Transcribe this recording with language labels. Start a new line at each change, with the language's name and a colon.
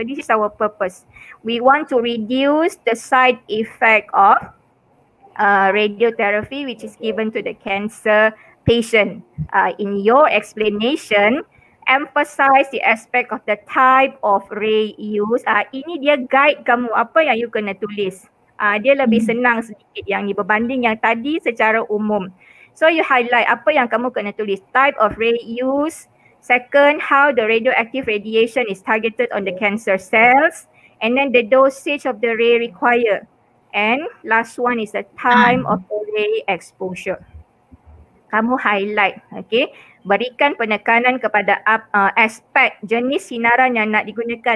English: So this is our purpose. We want to reduce the side effect of radiotherapy, which is given to the cancer patient. In your explanation, emphasize the aspect of the type of ray use.
Malay: Ini dia guide kamu apa yang you kena tulis. Dia lebih senang sedikit yang ni berbanding yang tadi secara umum. So you highlight apa yang kamu kena tulis.
English: Type of ray use. Second, how the radioactive radiation is targeted on the cancer cells. And then the dosage of the ray required. And last one is the time of the ray exposure.
Malay: Kamu highlight, okay. Berikan penekanan kepada aspek jenis sinaran yang nak digunakan.